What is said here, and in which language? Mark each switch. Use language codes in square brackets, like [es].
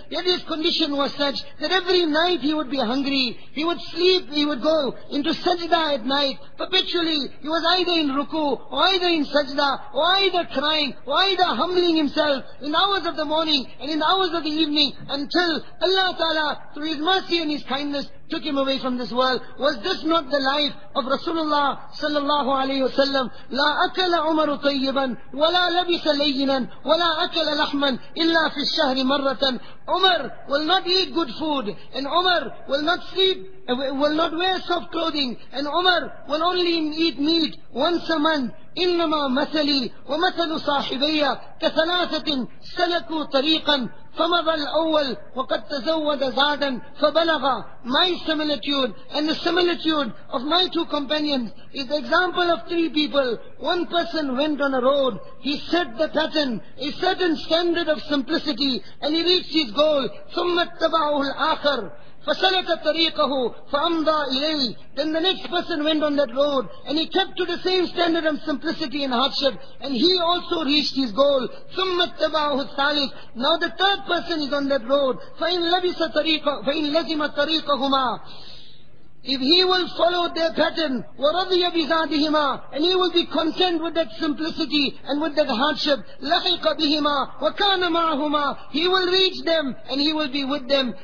[en] Yet his condition was such that every night he would be hungry, he would sleep, he would go into sajda at night, perpetually he was either in ruku, or either in sajda, or either crying, or either humbling himself in hours of the morning and in hours of the evening, until Allah Ta'ala, through His mercy and His kindness, took him away from this world. Was this not the life of Rasulullah sallallahu alayhi wa sallam? [ar] لا أكل عمر طيبا ولا لبس لينا ولا أكل لحما إلا في الشهر مرة. [en] Umar will not eat good food, and Umar will not sleep, will not wear soft clothing, and Umar will only eat meat once a month. [ar] إنما مثلي ومثل صاحبي كثلاثة سلكوا طريقا فمضى الأول وقد تزود زادا فبلغ. [en] My similitude and the similitude of my two companions is the example of 3 people. One person went on a road, he set the pattern, a certain standard of simplicity, and he reached his goal. [ar] ثم اتبعه الآخر فَسَلَكَ طَرِيقَهُ فَأَمْضَى إِلَيْهِ. [en] Then the next person went on that road and he kept to the same standard of simplicity and hardship, and he also reached his goal. [ar] ثُمَّ اتَّبَعَهُ الثَّالِثِ. [en] Now the third person is on that road. [ar] فَإِنْ لَزِمَ طَرِيقَهُمَا. [en] If he will follow their pattern, [ar] وَرَضِيَ بِزَادِهِمَا, [en] and he will be content with that simplicity and with that hardship, [ar] لَحِقَ بِهِمَا وَكَانَ مَعَهُمَا, [en] he will reach them and he will be with them.